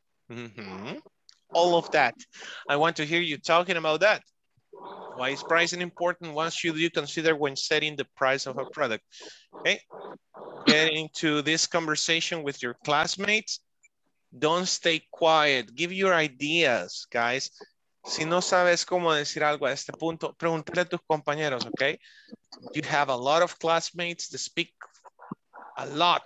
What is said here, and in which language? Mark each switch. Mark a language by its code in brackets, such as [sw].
[en] Mm-hmm. All of that. I want to hear you talking about that. Why is pricing important? What should you consider when setting the price of a product? Okay, get into this conversation with your classmates. Don't stay quiet. Give your ideas, guys. [es] Si no sabes cómo decir algo a este punto, pregúntale a tus compañeros, okay? [en] You have a lot of classmates that speak a lot.